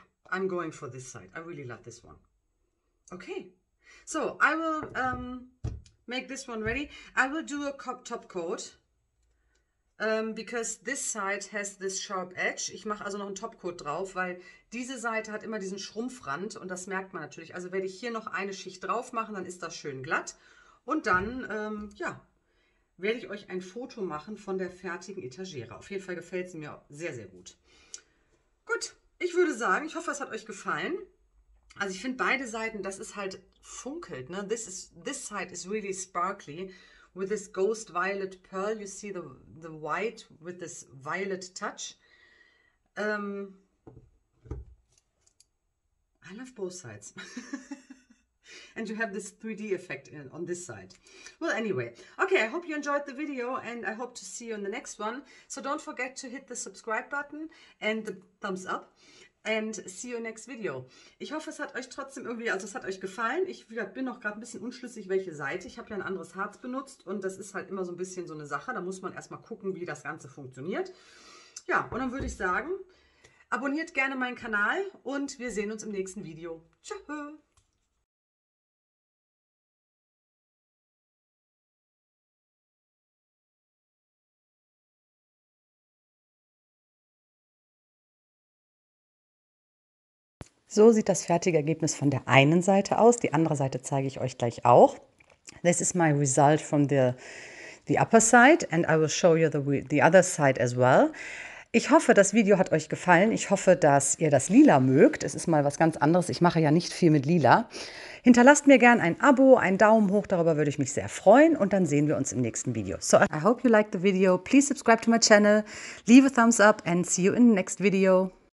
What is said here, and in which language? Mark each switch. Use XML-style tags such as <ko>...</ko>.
<en>I'm going for this side. I really love this one. Okay, so I will make this one ready. I will do a top coat, because this side has this sharp edge.</en> <de>Ich mache also noch einen Topcoat drauf, weil diese Seite hat immer diesen Schrumpfrand und das merkt man natürlich. Also werde ich hier noch eine Schicht drauf machen, dann ist das schön glatt. Und dann, ja, werde ich euch ein Foto machen von der fertigen Etagere. Auf jeden Fall gefällt sie mir sehr, sehr gut. Gut. Ich würde sagen, ich hoffe, es hat euch gefallen. Also ich finde beide Seiten, das ist halt funkelt. Ne?</de> <en>This side is really sparkly with this ghost violet pearl. You see the white with this violet touch. I love both sides. And you have this 3D effect on this side. Well, anyway. Okay, I hope you enjoyed the video and I hope to see you in the next one. So don't forget to hit the subscribe button and the thumbs up. And see you next video.</en> <de>Ich hoffe, es hat euch trotzdem irgendwie, also es hat euch gefallen. Ich bin noch gerade ein bisschen unschlüssig, welche Seite. Ich habe ja ein anderes Harz benutzt und das ist halt immer so ein bisschen so eine Sache. Da muss man erstmal gucken, wie das Ganze funktioniert. Ja, und dann würde ich sagen, abonniert gerne meinen Kanal und wir sehen uns im nächsten Video. Tschö! So sieht das fertige Ergebnis von der einen Seite aus. Die andere Seite zeige ich euch gleich auch.</de> <en>This is my result from the upper side and I will show you the other side as well.</en> <de>Ich hoffe, das Video hat euch gefallen. Ich hoffe, dass ihr das Lila mögt. Es ist mal was ganz anderes. Ich mache ja nicht viel mit Lila. Hinterlasst mir gern ein Abo, einen Daumen hoch. Darüber würde ich mich sehr freuen. Und dann sehen wir uns im nächsten Video.</de> <en>So, I hope you liked the video. Please subscribe to my channel. Leave a thumbs up and see you in the next video.</en>